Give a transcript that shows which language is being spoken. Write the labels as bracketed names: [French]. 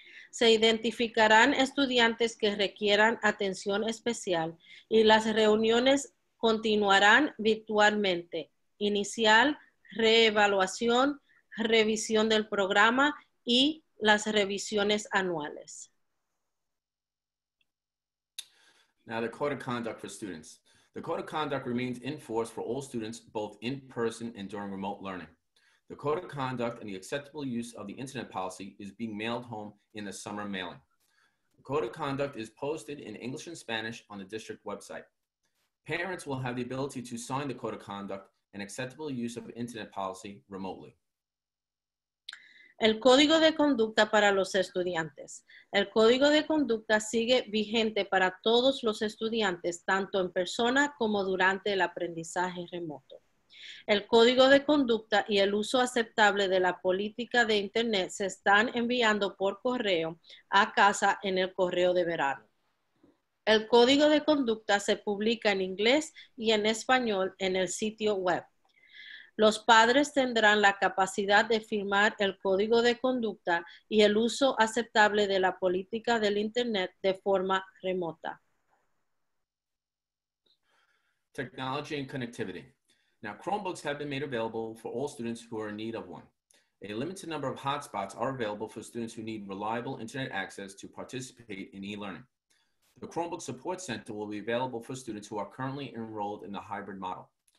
[Spanish] Se identificarán estudiantes que requieran atención especial y las reuniones continuarán virtualmente. Inicial, reevaluación, revisión del programa y las revisiones anuales. [English] Now the code of conduct for students. The code of conduct remains in force for all students, both in person and during remote learning. The code of conduct and the acceptable use of the internet policy is being mailed home in the summer mailing. The code of conduct is posted in English and Spanish on the district website. Parents will have the ability to sign the code of conduct and acceptable use of internet policy remotely. [Spanish] El código de conducta para los estudiantes. El código de conducta sigue vigente para todos los estudiantes, tanto en persona como durante el aprendizaje remoto. El código de conducta y el uso aceptable de la política de Internet se están enviando por correo a casa en el correo de verano. El código de conducta se publica en inglés y en español en el sitio web. Los padres tendrán la capacidad de firmar el código de conducta y el uso aceptable de la política del Internet de forma remota. [English] Technology and connectivity. Now, Chromebooks have been made available for all students who are in need of one. A limited number of hotspots are available for students who need reliable internet access to participate in e-learning. The Chromebook Support Center will be available for students who are currently enrolled in the hybrid model.